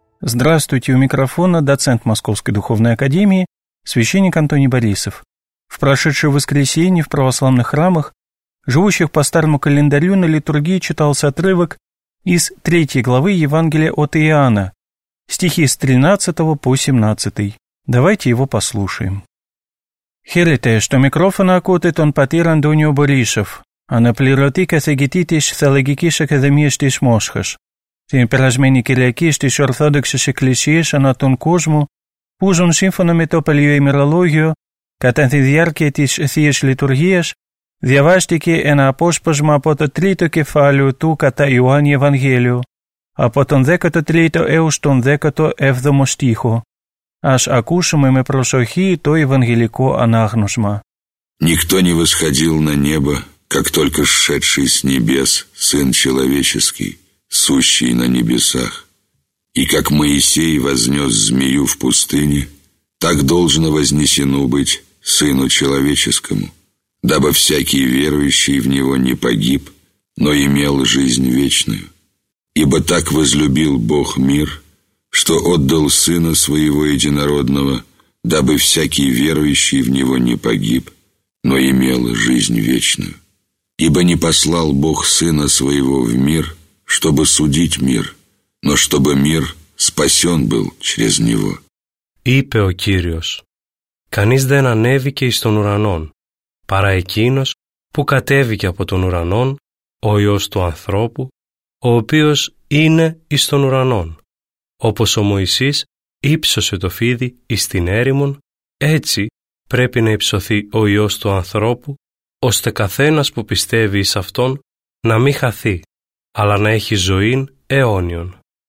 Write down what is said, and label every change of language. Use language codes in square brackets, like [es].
[ru] Здравствуйте, у микрофона доцент Московской духовной академии, священник Антоний Борисов. В прошедшее воскресенье в православных храмах, живущих по старому календарю, на литургии читался отрывок из 3 главы Евангелия от Иоанна, стихи с 13 по 17. Давайте его послушаем. [el] Χαίρετε, στο μικρόφωνο ακούτε τον πατήρ Αντώνιο Μπορίσοφ, αναπληρωτή καθηγητή της Θεολογικής Ακαδημίας της Μόσχας. Την περασμένη Κυριακή στις Ορθόδοξες Εκκλησίες ανά τον κόσμο, που ζουν σύμφωνα με το παλιό ημερολόγιο, κατά τη διάρκεια της Θείας Λειτουργίας, διαβάστηκε ένα απόσπασμα από το 3ο κεφάλαιο του κατά Ιωάννη Ευαγγέλιου, από τον 13ο έως τον 17ο στίχο. Ας ακούσουμε με προσοχή το Ευαγγελικό ανάγνωσμα. [ru] Никто не восходил на небо, как только сшедший с небес Сын Человеческий, сущий на небесах. И как Моисей вознес змею в пустыне, так должно вознесено быть Сыну Человеческому, дабы всякий верующий в Него не погиб, но имел жизнь вечную. Ибо так возлюбил Бог мир, что отдал Сына Своего Единородного, дабы всякий верующий в Него не погиб, но имел жизнь вечную. Ибо не послал Бог Сына Своего в мир, чтобы судить мир, но чтобы мир спасен был через Него. [el] Είπε ο Κύριος, «Κανείς δεν ανέβηκε εις τον ουρανόν, παρά εκείνος που κατέβηκε από τον ουρανόν, ο Υιός του ανθρώπου, ο οποίος είναι εις των ουρανών. Όπως ο Μωυσής ύψωσε το φίδι εις την έρημον, έτσι πρέπει να υψωθεί ο Υιός του ανθρώπου, ώστε καθένας που πιστεύει εις Αυτόν να μην χαθεί, αλλά να έχει ζωήν αιώνιον.